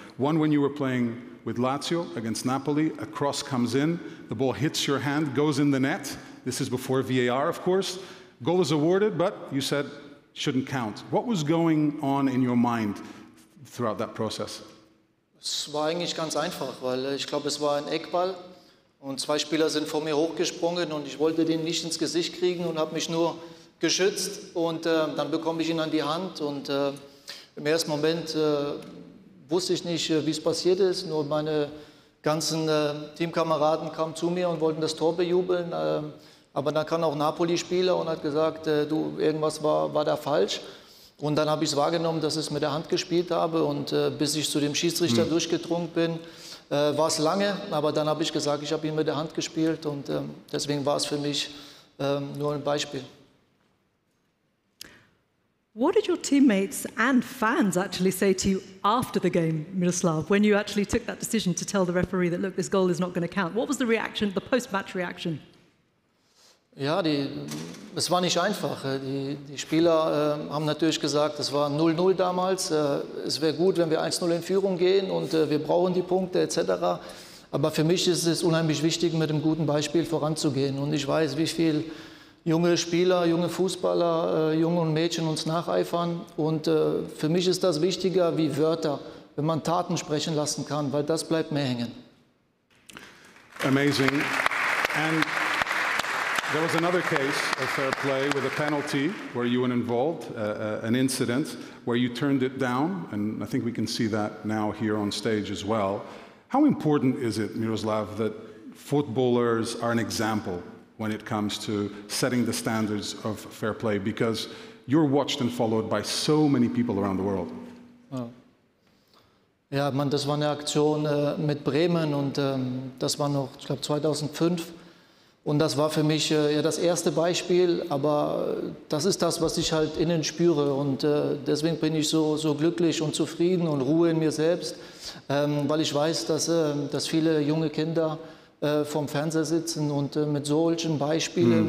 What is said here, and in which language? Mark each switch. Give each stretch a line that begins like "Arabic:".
English: One, when you were playing with Lazio against Napoli, a cross comes in, the ball hits your hand, goes in the net. This is before VAR, of course. Goal is awarded, but you said, shouldn't count. What was going on in your mind throughout that process?
German: Es war eigentlich ganz einfach, weil ich glaube, es war ein Eckball und zwei Spieler sind vor mir hochgesprungen und ich wollte den nicht ins Gesicht kriegen und habe mich nur geschützt und dann bekomme ich ihn an die Hand und im ersten Moment wusste ich nicht, wie es passiert ist, nur meine ganzen Teamkameraden kamen zu mir und wollten das Tor bejubeln. Aber dann kam auch Napoli-Spieler und hat gesagt, du, irgendwas war da falsch. Und dann habe ich es wahrgenommen, dass ich es mit der Hand gespielt habe. Und bis ich zu dem Schiedsrichter durchgedrungen bin, war es lange. Aber dann habe ich gesagt, ich habe ihn mit der Hand gespielt. Und deswegen war es für mich nur ein Beispiel.
English: What did your teammates and fans actually say to you after the game, Miroslav, when you actually took that decision to tell the referee that, look, this goal is not going to count? What was the reaction, the post-match reaction?
German: Ja, es war nicht einfach. Die Spieler haben natürlich gesagt, es war 0-0 damals. Es wäre gut, wenn wir 1-0 in Führung gehen und wir brauchen die Punkte etc. Aber für mich ist es unheimlich wichtig, mit einem guten Beispiel voranzugehen. Und ich weiß, wie viele junge Spieler, junge Fußballer, junge und Mädchen uns nacheifern. Und für mich ist das wichtiger wie Wörter, wenn man Taten sprechen lassen kann, weil das bleibt mir hängen.
English: Amazing. And there was another case of fair play with a penalty where you were involved, an incident where you turned it down, and I think we can see that now here on stage as well. How important is it, Miroslav, that footballers are an example when it comes to setting the standards of fair play? Because you're watched and followed by so many people around the world. Oh.
German: Ja, man, das war eine Aktion mit Bremen und das war noch, ich glaube, 2005. Und das war für mich ja das erste Beispiel, aber das ist das, was ich halt innen spüre. Und deswegen bin ich so glücklich und zufrieden und ruhe in mir selbst, weil ich weiß, dass viele junge Kinder vorm Fernseher sitzen und mit solchen Beispielen. Mhm.